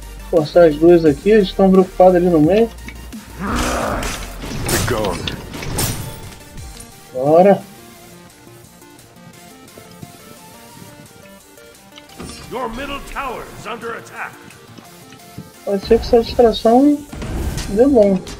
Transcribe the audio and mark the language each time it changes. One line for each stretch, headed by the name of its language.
Portuguese: Forçar as duas aqui, eles estão preocupados ali no meio. Bora.
English: Your middle tower is under attack.
Portuguese: Pode ser que essa distração dê bom.